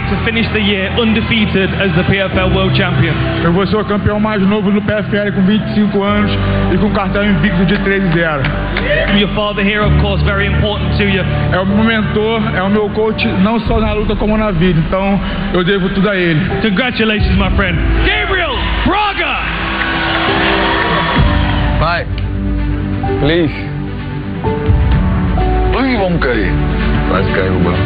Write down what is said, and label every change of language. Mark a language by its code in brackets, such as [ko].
[en] like to finish the year undefeated as the PFL World Champion? [pt] Eu vou ser o campeão mais novo no PFL com 25 anos e com cartão invicto de 3-0. [en] Your father here, of course, very important to you. [pt] É o meu mentor, é o meu coach, não só na luta como na vida. Então, eu devo tudo a ele. [en] Congratulations, my friend. Gabriel Braga! Bye. Please. [pt] Ui, vamos cair. Quase caiu, mano.